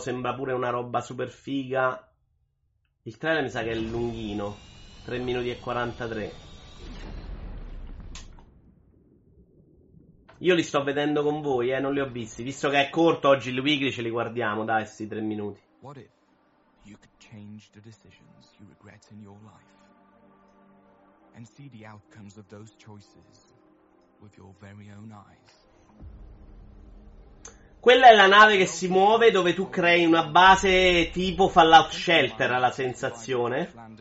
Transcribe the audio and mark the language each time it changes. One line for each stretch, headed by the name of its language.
Italian: Sembra pure una roba super figa. Il trailer mi sa che è lunghino. 3 minuti e 43. Io li sto vedendo con voi, non li ho visti. Visto che è corto oggi il weekly, ce li guardiamo, dai, sti 3 minuti.
English: What if you could change the decisions you regret in your life and see the outcomes of those choices with your very own eyes?
Italian: Quella è la nave che si muove dove tu crei una base tipo Fallout Shelter, ha la sensazione.